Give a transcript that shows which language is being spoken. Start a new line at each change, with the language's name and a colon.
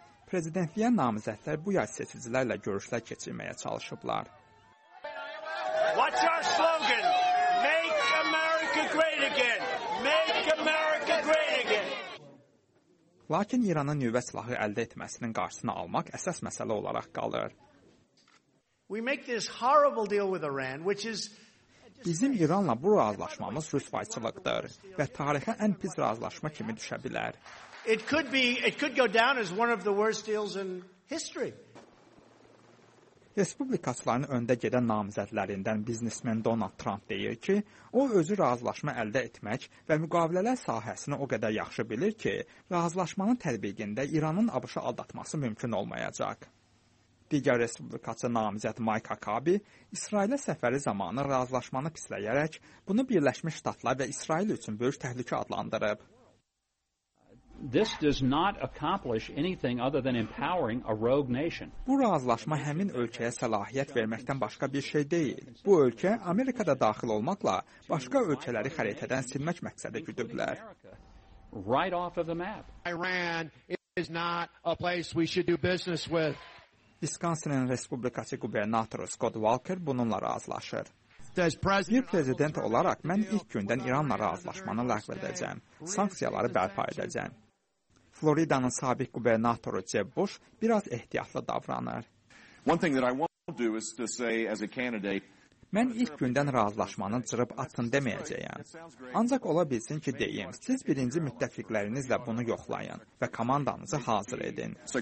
Azerbaijani: Prezidentliyə namizədlər bu yay seçicilərlə görüşlər keçirməyə çalışıblar.
English: What's your slogan? Make America great again. Make America great again.
Azerbaijani: Lakin İranın nüvə silahı əldə etməsinin qarşısını almaq əsas məsələ olaraq qalır.
English: We make this horrible deal with Iran, which is
Azerbaijani: Bizim İranla bu razılaşmamız rüsvayçılıqdır və tarixə ən pis razılaşma kimi düşə bilər.
English: It could go down as one of the worst deals in history.
Azerbaijani: Respublikaçıların öndə gedən namizədlərindən biznesmen Donald Trump deyir ki, o özü razılaşma əldə etmək və müqavilələr sahəsini o qədər yaxşı bilir ki, razılaşmanın tətbiqində İranın ABŞ-ı aldatması mümkün olmayacaq. Digər respublikaçı namizəd Mike Huckabee İsrailə səfəri zamanı razılaşmanı pisləyərək bunu Birləşmiş Ştatlar və İsrail üçün böyük təhlükə adlandırıb.
English: This does not accomplish anything other than empowering a rogue nation.
Azerbaijani: Bu razılaşma həmin ölkəyə səlahiyyət verməkdən başqa bir şey deyil. Bu ölkə Amerikada daxil olmaqla başqa ölkələri xəritədən silmək məqsədi güdüblər.
English: Right off of the map. Iran is not a place we should do business with.
Azerbaijani: Wisconsin-ın respublikaçı qubernatoru Scott Walker bununla razılaşır. Bir prezident olaraq mən ilk gündən İranla razılaşmanı ləğv edəcəm, sanksiyaları bərpa edəcəm. Floridanın sabiq qubernatoru Jeb Bush bir az ehtiyatlı davranır.
English: One thing that I want to do is to say as a candidate
Azerbaijani: Mən ilk gündən razılaşmanı cırıb atın deməyəcəyəm. Ancaq ola bilsin ki, deyim, siz birinci müttəfiqlərinizlə bunu yoxlayın və komandanızı hazır edin.